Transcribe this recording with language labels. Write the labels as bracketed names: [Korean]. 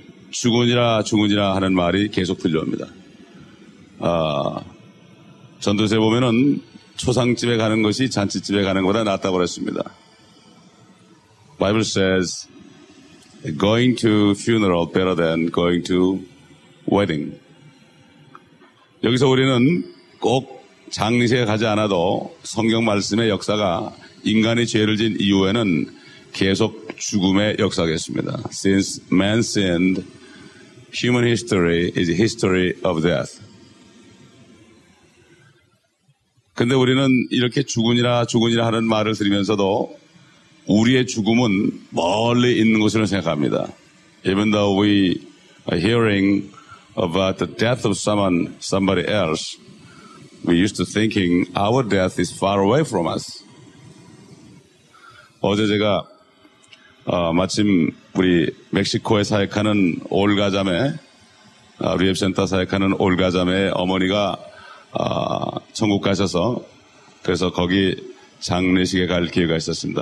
[Korean] 죽으니라 죽으니라 하는 말이 계속 들려옵니다. 전도서에 보면은 초상집에 가는 것이 잔치집에 가는 것보다 낫다고 그랬습니다. [English] Bible says going to funeral better than going to wedding. [Korean] 여기서 우리는 꼭 장례식에 가지 않아도 성경 말씀의 역사가 인간이 죄를 진 이후에는 계속 죽음의 역사겠습니다. [English] Since man sinned, human history is a history of death. [Korean] 근데 우리는 이렇게 죽으니라 죽으니라 하는 말을 들으면서도 우리의 죽음은 멀리 있는 것으로 생각합니다. [English] Even though we are hearing about the death of somebody else, we used to thinking our death is far away from us. [Korean] 어제 제가 마침 우리 멕시코에 사역하는 올가자매, 리앱센터 사역하는 올가자매의 어머니가 천국 가셔서 그래서 거기 장례식에 갈 기회가 있었습니다.